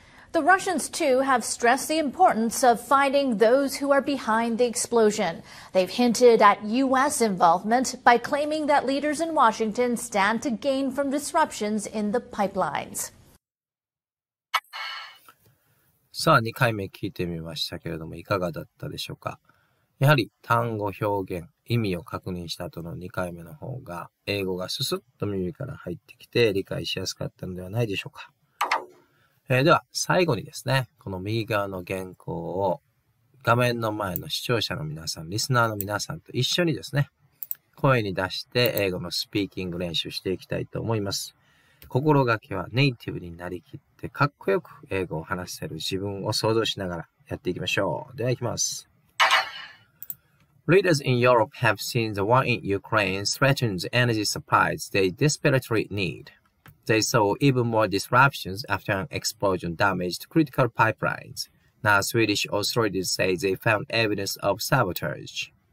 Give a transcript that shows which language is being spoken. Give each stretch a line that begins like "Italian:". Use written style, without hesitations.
English: The Russians, too, have stressed the importance of finding those who are behind the explosion. They've hinted at U.S. involvement by claiming that leaders in Washington stand to gain from disruptions in the pipelines.
Japanese: さあ、2回目聞いてみましたけれども、いかがだったでしょうか? やはり単語表現、意味を確認した後の2回目の方が、英語がススッと耳から入ってきて理解しやすかったのではないでしょうか。では、最後にですね、この右側の原稿を画面の前の視聴者の皆さん、リスナーの皆さんと一緒にですね、声に出して英語のスピーキング練習していきたいと思います。心がけはネイティブになりきってかっこよく英語を話せる自分を想像しながらやっていきましょう。では、いきます。
English: Leaders in Europe have seen the war in Ukraine threaten the energy supplies they desperately need. They saw even more disruptions after an explosion damaged critical pipelines. Now Swedish authorities say they found evidence of sabotage.